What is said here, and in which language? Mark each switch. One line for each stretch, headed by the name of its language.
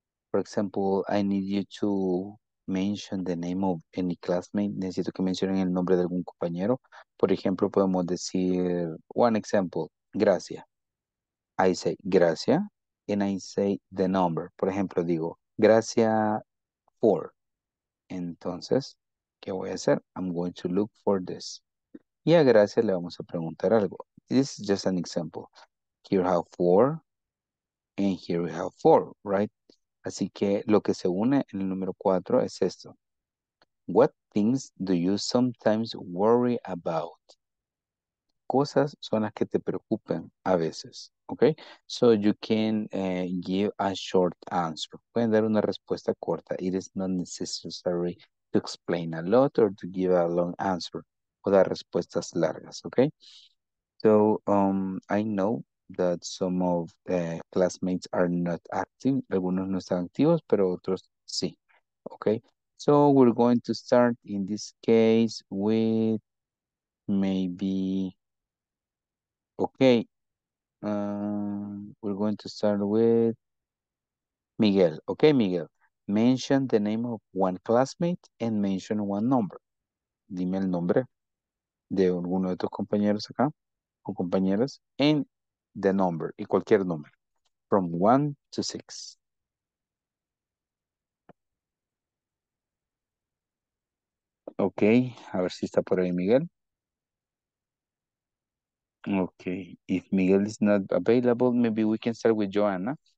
English: For example, I need you to mention the name of any classmate.
Spanish: Necesito que mencionen el nombre de algún compañero. Por ejemplo, podemos decir,
English: one example,
Spanish: Gracia.
English: I say Gracia, and I say the number.
Spanish: Por ejemplo, digo, Gracia 4. Entonces, ¿Qué voy a hacer?
English: I'm going to look for this.
Spanish: Y a Gracia le vamos a preguntar algo.
English: This is just an example. Here we have four, and here we have four, right?
Spanish: Así que lo que se une en el número cuatro es esto.
English: What things do you sometimes worry about?
Spanish: Cosas son las que te preocupan a veces, okay?
English: So you can give a short answer.
Spanish: Pueden dar una respuesta corta.
English: It is not necessary to explain a lot or to give a long answer.
Spanish: O dar respuestas largas, okay?
English: So I know that some of the classmates are not active.
Spanish: Algunos no están activos, pero otros sí, okay?
English: So we're going to start in this case with maybe, okay, we're going to start with Miguel. Okay, Miguel, mention the name of one classmate and mention one number.
Spanish: Dime el nombre de alguno de tus compañeros acá o compañeras
English: and the number,
Spanish: y cualquier número,
English: from 1 to 6.
Spanish: Ok, a ver si está por ahí Miguel.
English: Ok, if Miguel is not available, maybe we can start with Joanna.